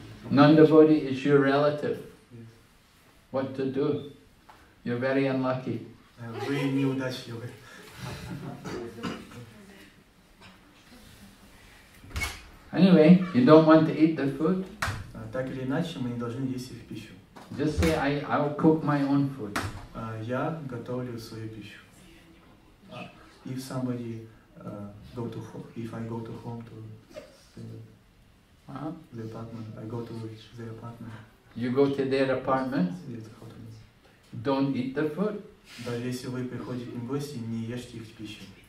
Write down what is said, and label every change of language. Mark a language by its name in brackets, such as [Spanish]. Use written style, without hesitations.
[English] Non-devotee is your relative. What to do? You're very unlucky. [Russian] Вы неудачливы. [English] Anyway, you don't want to eat the food? [Russian] Так или иначе, мы не должны есть их пищу. [English] Just say, I'll cook my own food. [Russian] Я готовлю свою пищу. [English] If somebody go to home, if I go to home to the apartment, I go to their apartment. You go to their apartment? Yes, go to me. Don't eat the food? [Russian] Даже если вы приходите в гости, не ешьте их пищу.